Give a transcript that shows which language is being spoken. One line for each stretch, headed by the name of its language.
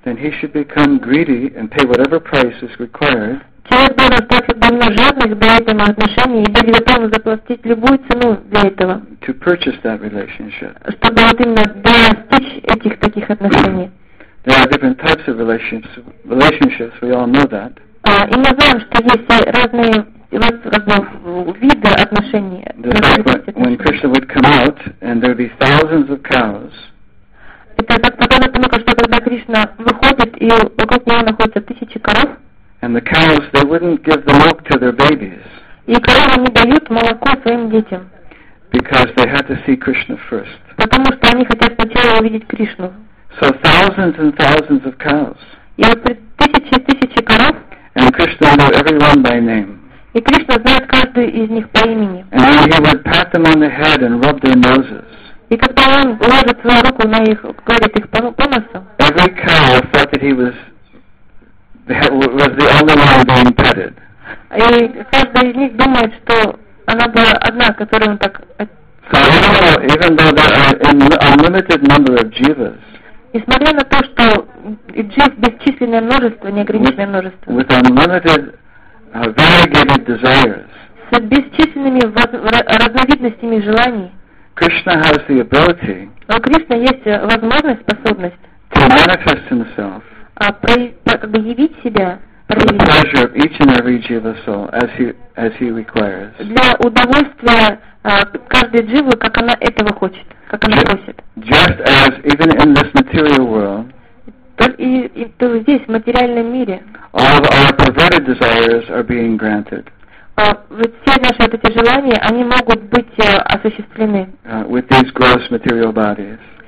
English: Then he should become greedy and pay whatever price is required.
Russian: Человек должен стать довольно жадным для этого отношения и быть готовым заплатить любую цену для этого.
English: To purchase that relationship.
Russian: Чтобы вот именно достичь этих таких отношений.
English: There are different types of relationships. We all know that.
Russian: И мы знаем, что есть разные виды отношений.
English: When Krishna would come out and there'd be thousands of cows.
Russian: Это так показано, что когда Кришна выходит и вокруг него находятся тысячи коров.
English: And the cows, they wouldn't give the milk to their babies.
Russian: И коровы не дают молоко своим детям.
English: Because they had to see Krishna first.
Russian: Потому что они хотят сначала увидеть Кришну.
English: So thousands and thousands of cows.
Russian: И вот тысячи и тысячи коров.
English: And Krishna knew everyone by name.
Russian: И Кришна знает каждую из них по имени.
English: And he would pat them on the head and rub their noses.
Russian: И когда он ложит свою руку на их, гладит их по носу.
English: Every cow thought that he was the only one being petted.
Russian: И каждая из них думает, что она была одна, которую он так
English: So even though there are an unlimited number of jivas,
Russian: несмотря на то, что джив бесчисленное множество, неограниченное множество,
English: with unlimited variegated desires,
Russian: с бесчисленными разновидностями желаний,
English: Krishna has the ability,
Russian: у Кришны есть возможность, способность,
English: to manifest himself,
Russian: как бы явить себя, проявить,
English: the pleasure of each and every jiva soul as he requires,
Russian: для удовольствия каждой дживы, как она этого хочет, как она просит.
English: Just as even in this material world,
Russian: то здесь, в материальном мире,
English: all of our perverted desires are being granted.
Russian: Все наши вот эти желания, они могут быть осуществлены.
English: With these gross material bodies.